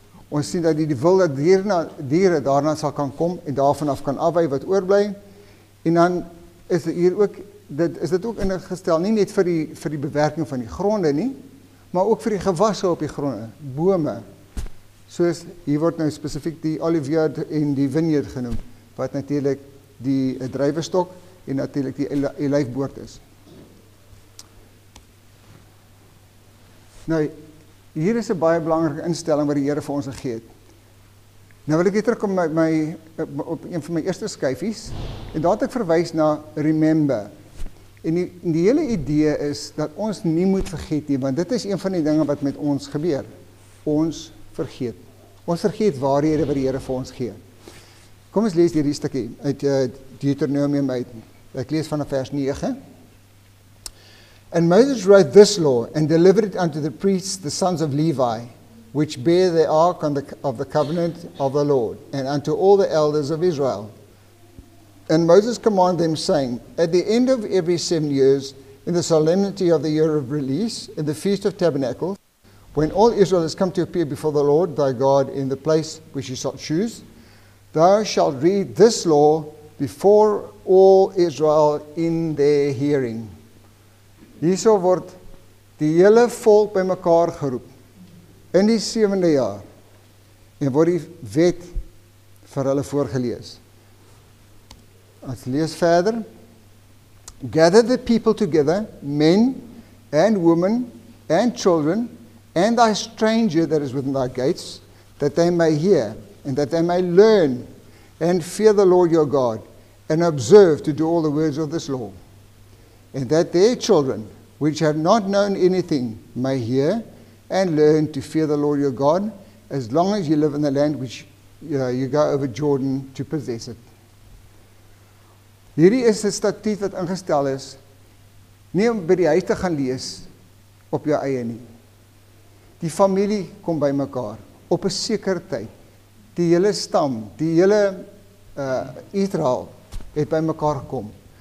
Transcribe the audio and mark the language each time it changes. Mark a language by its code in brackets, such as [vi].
[af] Ons sien dat die wilde diere daarna sal kan kom en daarvan af kan afwy wat oorbly. En dan is dit hier ook, dit is ook ingestel nie net vir die bewerking van die gronde nie, maar ook vir die gewasse op die gronde, bome. Soos hier word nou spesifiek die olieveerd en die vineerd genoem, wat natuurlijk die druiwestok en natuurlijk die olyfboord is. Nou, hier is 'n baie belangrike instelling wat die Here vir ons gegee het. Nou wil ek weer terugkom op een van my eerste skyfies, en daar het ek verwys na remember. En die hele idee is dat ons nie moet vergeet nie, want dit is een van die dinge wat met ons gebeur. Ons vergeet. Ons vergeet waarhede wat die Here vir ons gee. Kom ons lees hierdie stukkie uit Deuteronomium uit. Ek lees van vers 9. [en] And Moses wrote this law and delivered it unto the priests, the sons of Levi, which bear the ark of the covenant of the Lord, and unto all the elders of Israel. And Moses commanded them, saying, At the end of every 7 years, in the solemnity of the year of release, in the feast of tabernacles, when all Israel has come to appear before the Lord thy God in the place which he shall choose, thou shalt read this law before all Israel in their hearing. [af] Hierso word die hele volk by mekaar geroep in die 7de jaar en word die wet vir hulle voorgelees. Ons lees verder. [en] Gather the people together, men and women and children and thy stranger that is within thy gates, that they may hear and that they may learn and fear the Lord your God and observe to do all the words of this law. And that their children, which have not known anything, may hear and learn to fear the Lord your God, as long as you live in the land which you go over Jordan to possess it. [af] Hierdie is 'n statuut wat ingestel is, nie om by die huis te gaan lees op jou eie nie. Die familie kom by mekaar, op 'n sekere tyd. Die hele stam, die hele Israel het by mekaar gekom.